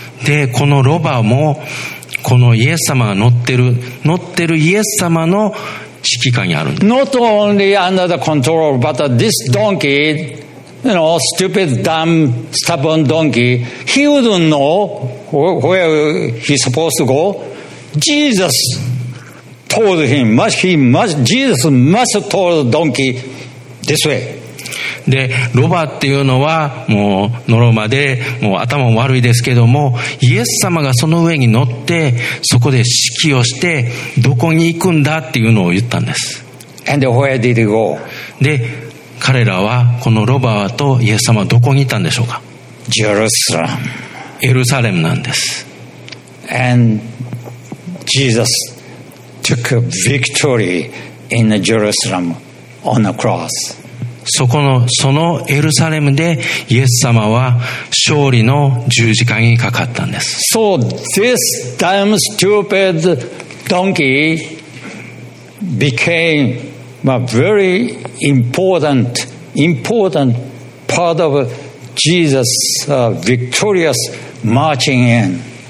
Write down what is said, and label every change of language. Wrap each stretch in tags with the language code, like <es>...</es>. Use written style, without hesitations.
<ja>で、このロバも、このイエス様が乗ってるイエス様の指揮下にあるんです。</ja> <en>Not only under the control, but this donkey, you know, stupid, dumb, stubborn donkey, he wouldn't know where he's supposed to go. Jesus told him, Jesus must have told the donkey this way.</en> <ja>で、ロバっていうのはもうノロマでもう頭も悪いですけども、イエス様がその上に乗ってそこで指揮をしてどこに行くんだっていうのを言ったんです。</ja> <en>And where did he go?</en> <ja>で、彼らはこのロバとイエス様はどこに行ったんでしょうか。ジェルサレム。エルサレムなんです。</ja> <en>And Jesus took victory in Jerusalem on the cross</en> <ja>そこの、そのエルサレムでイエス様は勝利の十字架にかかったんです。</ja> <en>So this damn stupid donkey became a very important part of Jesus' victorious marching in.</en>